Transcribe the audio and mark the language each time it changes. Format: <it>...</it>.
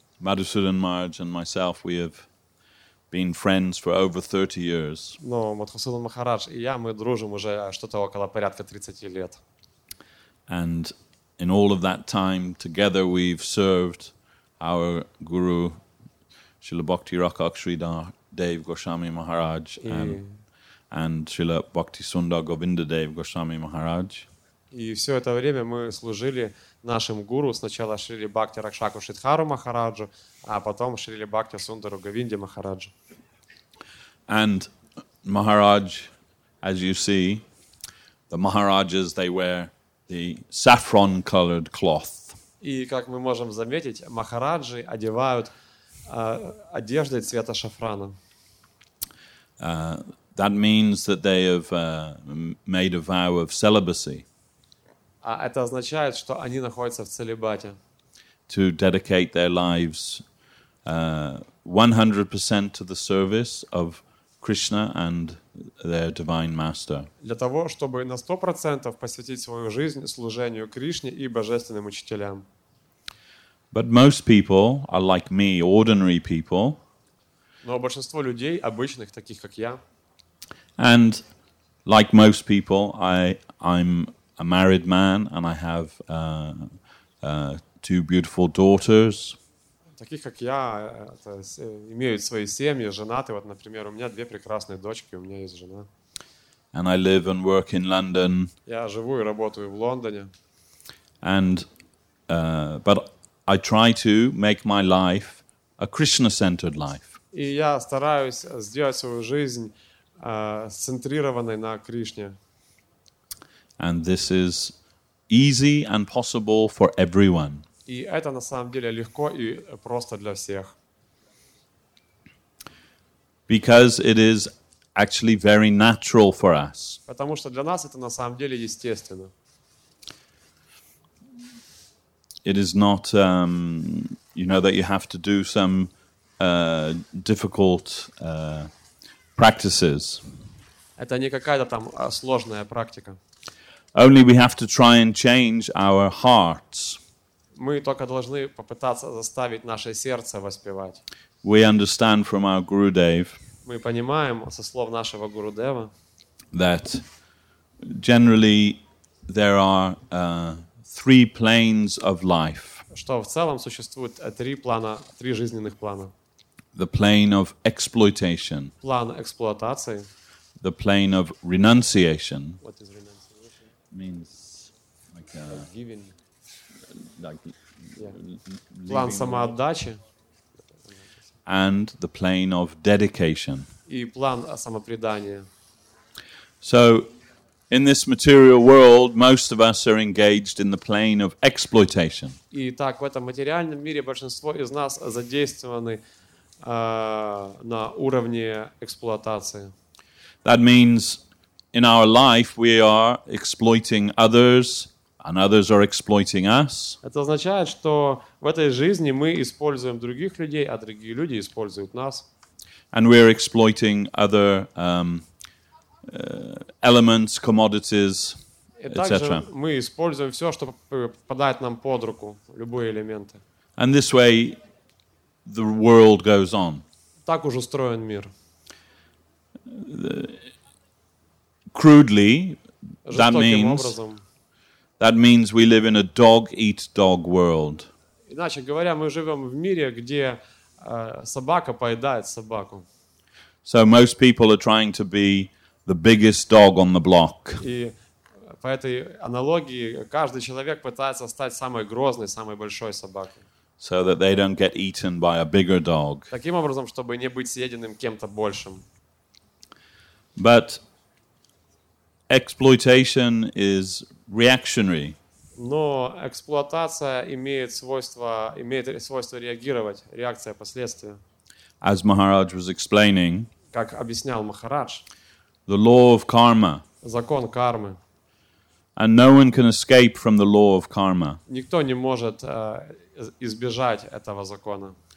<en>Madhusudan Maharaj and myself, we have been friends for over 30 years.</en> <ru>Но Мадхусудан Махарадж и я, мы дружим уже что-то около порядка 30 лет.</ru> <en>And in all of that time together we've served our guru Srila Bhakti Rakak Sridhar Dev Goswami Maharaj and Srila Bhakti Sundar Govinda Dev Goswami Maharaj.</en> <ru>И все это время мы служили нашим гуру, сначала Шрили Бхакти Ракшаку Шридхару Махараджу, а потом Шрили Бхакти Сундару Говинде Махараджу.</ru> <en>And Maharaj, as you see, the Maharajas, they wear the saffron-colored cloth.</en> <ru>И как мы можем заметить, Махараджи одевают одежды цвета шафрана.</ru> <en>That means that they have made a vow of celibacy.</en> <ru>А это означает, что они находятся в целибате.</ru> <en>To dedicate their lives 100% to the service of Krishna and their divine master.</en> <ru>Для того, чтобы на 100% посвятить свою жизнь служению Кришне и божественным учителям.</ru> <en>But most people are like me, ordinary people.</en> <ru>Но большинство людей обычных, таких как я.</ru> <en>And like most people, I'm a married man, and I have two beautiful daughters.</en> <ru>Таких как я, имеют свои семьи, женаты. Вот, например, у меня две прекрасные дочки, у меня есть жена.</ru> <en>And I live and work in London.</en> <ru>Я живу и работаю в Лондоне.</ru> <en>And but I try to make my life a Krishna-centered life.</en> <ru>И я стараюсь сделать свою жизнь сцентрированной на Кришне.</ru> <en>And this is easy and possible for everyone.</en> <ru>И это на самом деле легко и просто для всех.</ru> <en>Because it is actually very natural for us.</en> <ru>Потому что для нас это на самом деле естественно.</ru> <en>It is not, that you have to do some difficult practices.</en> <ru>Это не какая-то там сложная практика.</ru> <en>Only we have to try and change our hearts.</en> <ru>Мы только должны попытаться заставить наше сердце воспевать.</ru> <en>We understand from our Guru Dev.</en> <ru>Мы понимаем со слов нашего Гуру Дева.</ru> <en>That generally there are three planes of life.</en> <ru>Что в целом существует три плана, три жизненных плана.</ru> <en>The plane of exploitation.</en> <ru>План эксплуатации.</ru> <en>The plane of renunciation. What is renunciation? Means like giving, like plan</en> <ru>самоотдачи,</ru> <en>and the plane of dedication.</en> <ru>И план самопредания.</ru> <en>So, in this material world, most of us are engaged in the plane of exploitation.</en> <ru>И так в этом материальном мире большинство из нас задействованы на уровне эксплуатации.</ru> <en>That means. In our life, we are exploiting others, and others are exploiting us.</en> <ru>Это означает, что в этой жизни мы используем других людей, а другие люди используют нас.</ru> <en>And we are exploiting other elements, commodities, etc.</en> <ru>Также мы используем все, что попадает нам под руку, любые элементы.</ru> <en>And this way, the world goes on.</en> <ru>Так уж устроен мир.</ru> <en>Crudely, that means we live in a dog-eat-dog world.</en> <ru>Иначе говоря, мы живем в мире, где собака поедает собаку.</ru> <en>So most people are trying to be the biggest dog on the block.</en> <ru>И по этой аналогии каждый человек пытается стать самой грозной, самой большой собакой.</ru> <en>So that they don't get eaten by a bigger dog.</en> <ru>Таким образом, чтобы не быть съеденным кем-то большим.</ru> <en>But exploitation is reactionary.</en> <ru>Но эксплуатация имеет свойство реагировать, реакция последствия.</ru> <en>As Maharaj was explaining,</en> <ru>как объяснял Махарадж,</ru> <en>the law of karma.</en> <ru>Закон кармы.</ru> <en>And no one can escape from the law of karma.</en> <ru>Никто не может избежать этого закона.</ru>